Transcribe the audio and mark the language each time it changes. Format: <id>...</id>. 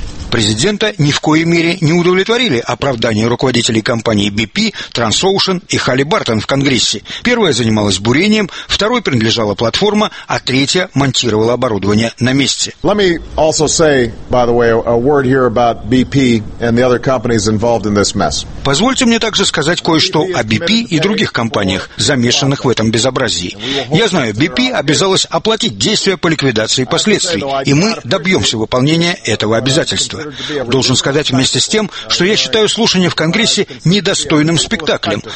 <ru>Президента ни в коей мере не удовлетворили оправдания руководителей компаний BP, Transocean и Halliburton в Конгрессе. Первая занималась бурением, второй принадлежала платформа, а третья монтировала оборудование на месте.</ru> <en>Let me also say, by the way, a word here about BP and the other companies involved in this mess.</en> <ru>Позвольте мне также сказать кое-что о BP и других компаниях, замешанных в этом безобразии. Я знаю, BP обязалась оплатить действия по ликвидации последствий, и мы добьемся выполнения этого обязательства. Должен сказать вместе с тем, что я считаю слушание в Конгрессе недостойным спектаклем.</ru>